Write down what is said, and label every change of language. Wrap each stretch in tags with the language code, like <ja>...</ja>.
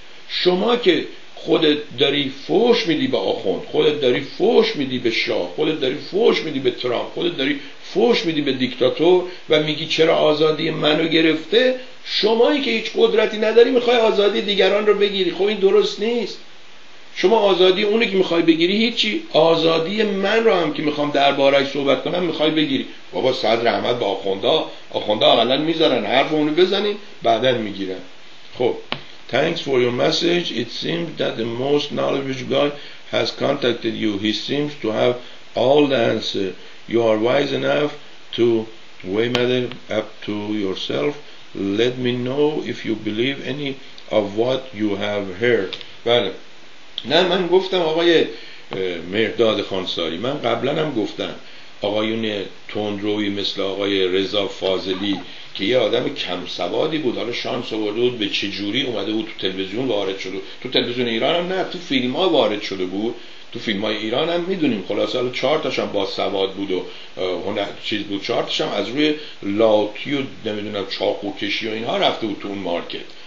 <fa>شما که خودت داری فوش میدی به آخوند، خودت داری فوش میدی به شاه، خودت داری فوش میدی به ترامپ، خودت داری فوش میدی به دیکتاتور و میگی چرا آزادی منو گرفته، شمایی که هیچ قدرتی نداری میخوای آزادی دیگران رو بگیری. خب این درست نیست. شما آزادی اونی که میخوای بگیری هیچی، آزادی من رو هم که میخوام درباره اش صحبت کنم میخوای بگیری. بابا صدر احمد با آخوندا اقلا میذارن حرف اونو بزنی بعدن میگیرن.</fa> <en>خب Thanks for your message. It seems that the most knowledgeable guy has contacted you. He seems to have all the answers. You are wise enough to weigh matter up to yourself. Let me know if you believe any of what you have heard.</en> <fa>بله. نه من گفتم آقای مهرداد خانساری. من قبلن هم گفتم آقایون تندروی مثل آقای رضا فاضلی که یه آدم کم سوادی بود، حالا شانس آورده بود به چه جوری اومده بود تو تلویزیون وارد شده، تو تلویزیون ایران هم نه تو فیلم ها وارد شده بود، تو فیلم های ایران هم میدونیم خلاصه، حالا چهار تاش هم با سواد بود و چیز بود، چهار تاش هم از روی لاتی و نمیدونم چاقو کشی و اینها رفته بود تو اون مارکت.</fa>